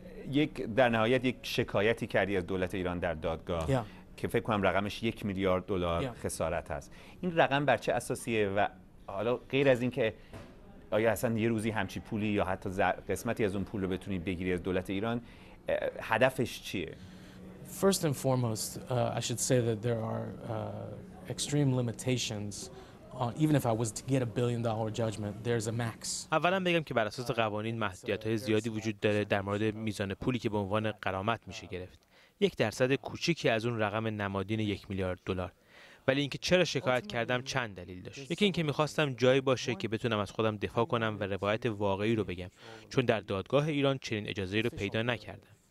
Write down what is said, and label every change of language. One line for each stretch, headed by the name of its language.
Persian: یک در نهایت یک شکایتی کردی از دولت ایران در دادگاه که فکر کنم رقمش $1 میلیارد خسارت هست. این رقم بر چه اساسیه و حالا غیر از این که آیا اصلا یه روزی همچی پولی یا حتی قسمتی از اون پول رو بتونی بگیری از دولت ایران، هدفش چیه؟
English: First and foremost, I should say that there are extreme limitations. Even if I was to get $1 billion judgment, there's a max.
Persian: اولا بگم که بر اساس قوانین محدودیت‌های زیادی وجود داره در مورد میزان پولی که به عنوان غرامت میشه گرفت. 1% کوچیکی از اون رقم نمادین $1 میلیارد. ولی اینکه چرا شکایت کردم چند دلیل داشت. یکی اینکه می‌خواستم جایی باشه که بتونم از خودم دفاع کنم و روایت واقعی رو بگم، چون در دادگاه ایران چنین اجازه‌ای رو پیدا نکردم.